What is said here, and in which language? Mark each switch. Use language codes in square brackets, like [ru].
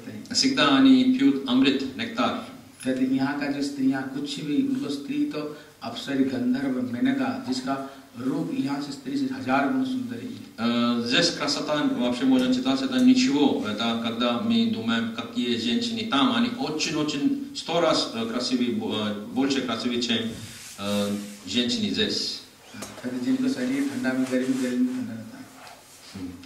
[ru] Всегда они пьют амрит, нектар. Кстати, [hi] यहां का जो स्त्रियां कुछ भी उनको स्त्री तो अप्सरी गंधर्व मेनका जिसका रूप यहां से स्त्री से हजार गुण सुंदर है [ru] здесь красота вообще можно читать это ничего это когда мы думаем какие женщины там они очень очень сто раз красивее больше красивее чем женщины здесь когда жилье сидит [hi] ठंडा में गर्मी गर्मी ठंडा